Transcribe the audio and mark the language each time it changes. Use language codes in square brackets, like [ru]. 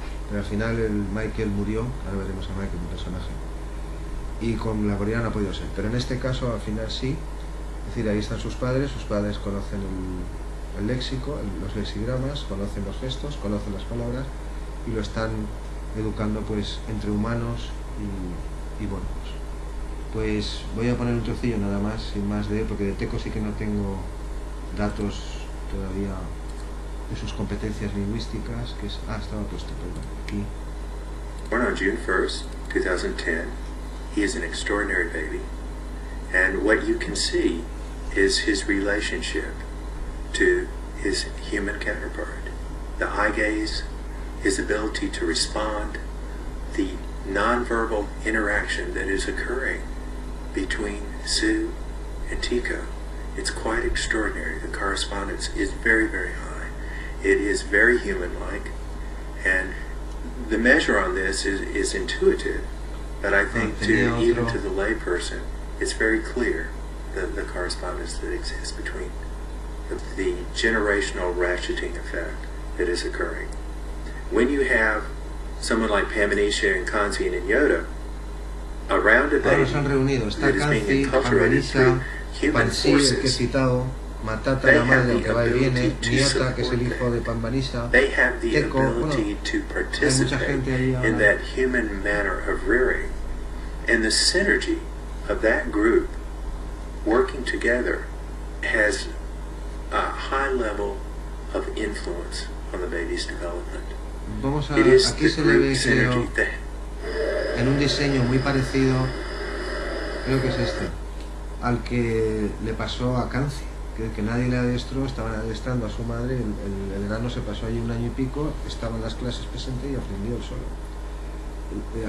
[es] Pero al final el Michael murió, ahora veremos a Michael, un personaje, y con la gorila no ha podido ser, pero en este caso al final sí, es decir, ahí están sus padres conocen el léxico, los lexigramas, conocen los gestos, conocen las palabras y lo están educando pues entre humanos y bonos. Pues voy a poner un trocillo nada más, sin más de él, porque de Teco sí que no tengo datos todavía de sus competencias lingüísticas, que es... estaba puesto, perdón, aquí. [en] Born on June 1st, 2010, he is an extraordinary baby, and what you can see is his relationship to his human counterpart. The eye gaze, his ability to respond, the nonverbal interaction that is occurring between Sue and Tico. It's quite extraordinary. The correspondence is very, very high. It is very human-like, and the measure on this is intuitive, but I think to the lay person, it's very clear the correspondence that exists between the generational ratcheting effect that is occurring. When you have someone like Pamanisha and Kanzin and Yoda, around a baby, [es] son reunidos, está Kanzi, Pamanisha, Pansi, el que he citado, Matata, la madre, el que va y viene, Nyota, que es el hijo de Pamanisha, Teco, bueno, hay mucha gente ahí ahora. [en] In that human manner of rearing, and the synergy of that group working together has a high level of influence on the baby's development. [es] Vamos a, aquí se le ve, creo, en un diseño muy parecido, creo que es este, al que le pasó a Kanzi, que nadie le adiestró, estaban adiestrando a su madre, el enano se pasó allí un año y pico, estaba en las clases presente y aprendió él solo.